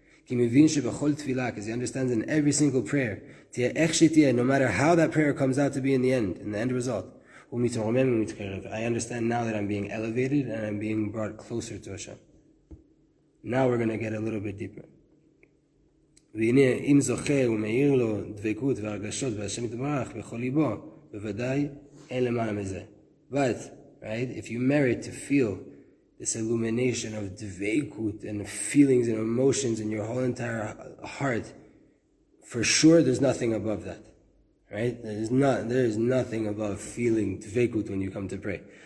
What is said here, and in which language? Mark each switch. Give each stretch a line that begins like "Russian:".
Hebrew: Ki mivin shebechol tfilah,
English: because he understands in every single prayer,
Hebrew: tia ech shetia,
English: no matter how that prayer comes out to be in the end result,
Hebrew: u'mitoromem u'mitkerev,
English: I understand now that I'm being elevated and I'm being brought closer to Hashem. Now we're going to get a little bit deeper.
Hebrew: והנה, אם זוכה ומאיר לו דבקות והרגשות והשם יתברך בכל ליבו, בוודאי אין למעלה מזה.
English: But, right, if you merit to feel this illumination of dvekut and feelings and emotions in your whole entire heart, for sure there's nothing above that. Right? There is nothing above feeling dvekut when you come to pray.